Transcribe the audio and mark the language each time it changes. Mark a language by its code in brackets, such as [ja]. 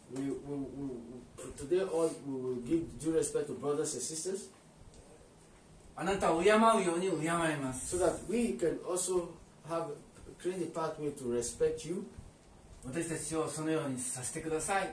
[en] We today all we will give due respect to brothers and sisters. [ja] あなたを敬うように敬います。 [en] So that we can also have create a pathway to respect you. [ja] 私たちをそのようにさせてください。